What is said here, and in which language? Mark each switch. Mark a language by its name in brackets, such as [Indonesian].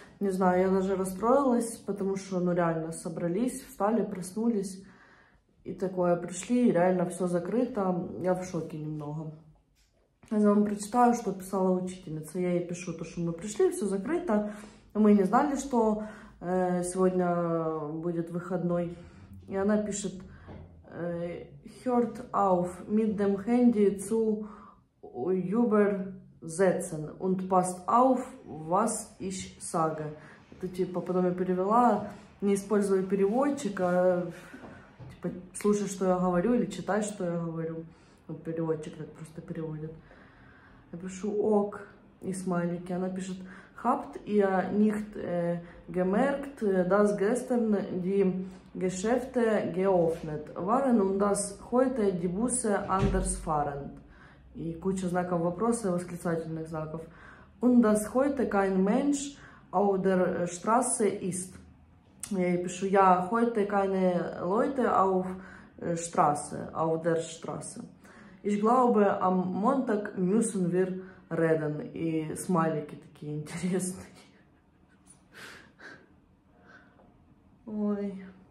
[Russian] Не знаю, я даже расстроилась, потому что, ну, реально, собрались, встали, проснулись. И такое, пришли, и реально все закрыто. Я в шоке немного. Я вам прочитаю, что писала учительница. Я ей пишу то, что мы пришли, все закрыто. Мы не знали, что сегодня будет выходной. И она пишет, [German] «Hört auf mit dem Handy zu Uber». Setzen und passt auf, was ich sage. [Russian] Это типа потом я перевела, не используя переводчика, типа слушай, что я говорю, или читай, что я говорю. Вот переводчик так просто переводит. Я пишу ок и смайлики. Она пишет [German] habt ihr nicht gemerkt, dass gestern die Geschäfte geöffnet waren und dass heute die Busse anders fahren. [Russian] И куча знаков вопроса и восклицательных знаков. [German] Und das heute kein Mensch auf der Straße ist. [Russian] Я ей пишу, я [German] heute keine Leute auf Straße, auf der Straße. Ich glaube, am Montag müssen wir reden. [Russian] И смайлики такие интересные. Ой.